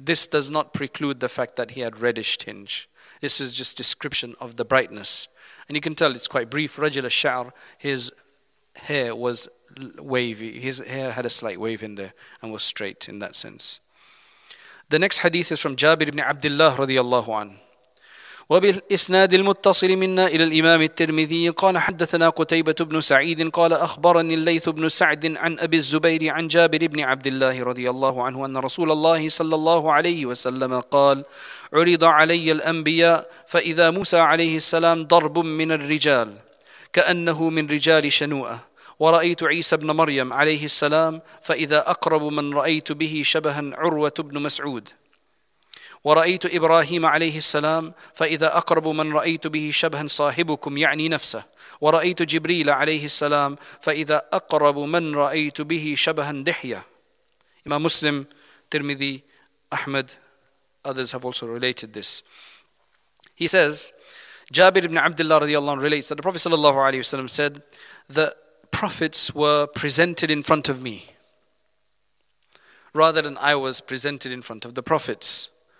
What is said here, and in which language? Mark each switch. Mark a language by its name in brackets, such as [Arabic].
[English] This does not preclude the fact that he had reddish tinge. This is just description of the brightness, and you can tell it's quite brief. Rajul al-Sha'r, his hair was wavy, his hair had a slight wave in there and was straight in that sense. The next hadith is from Jabir ibn Abdullah radiyallahu an. [Arabic] وبال اسناد المتصل منا الى الامام الترمذي قال حدثنا قتيبة بن سعيد قال اخبرني الليث بن سعد عن ابي الزبير عن جابر بن عبد الله رضي الله عنه ان رسول الله صلى الله عليه وسلم قال عرض علي الانبياء فاذا موسى عليه السلام ضرب من الرجال كانه من رجال شنوءه ورأيت عيسى بن مريم عليه السلام فإذا أقرب من رأيت به شبها عروة بن مسعود ورأيت إبراهيم عليه السلام فإذا أقرب من رأيت به شبها صاحبكم يعني نفسه ورأيت جبريل عليه السلام فإذا أقرب من رأيت به شبها دحية. [English] إمام مسلم, ترمذي, أحمد, others have also related this. He says, Jabir ibn Abdullah radiallahu anhu relates that the Prophet sallallahu alayhi wasallam said that prophets were presented in front of me rather than I was presented in front of the prophets.